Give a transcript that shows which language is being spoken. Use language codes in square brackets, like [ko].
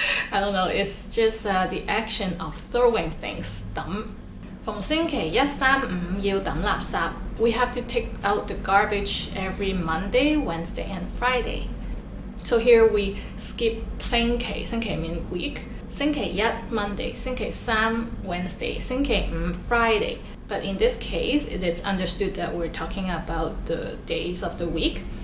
[en] I don't know, it's just the action of throwing things. [yue] 抌. 逢星期一、三、五要抌垃圾. [en] We have to take out the garbage every Monday, Wednesday, and Friday. So here we skip [yue] 星期. [en] 星期 means week. [yue] 星期一, [en] Monday. [yue] 星期三, [en] Wednesday. [yue] 星期五, [en] Friday. But in this case, it is understood that we're talking about the days of the week.